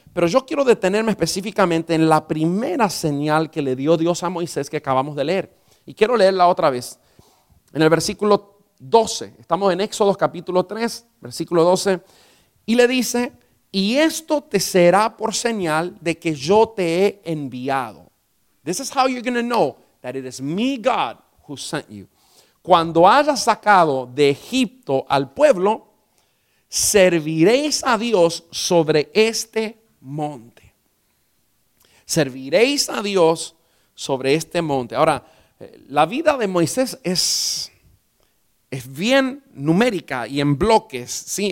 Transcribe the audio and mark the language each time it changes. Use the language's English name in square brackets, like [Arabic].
[Spanish] Pero yo quiero detenerme específicamente en la primera señal que le dio Dios a Moisés que acabamos de leer. Y quiero leerla otra vez. En el versículo 12, estamos en Éxodo capítulo 3, versículo 12. Y le dice, y esto te será por señal de que yo te he enviado. [English] This is how you're going to know that it is me, God, who sent you. [Spanish] Cuando hayas sacado de Egipto al pueblo, serviréis a Dios sobre este monte. Serviréis a Dios sobre este monte. Ahora, La vida de Moisés es bien numérica y en bloques, ¿sí?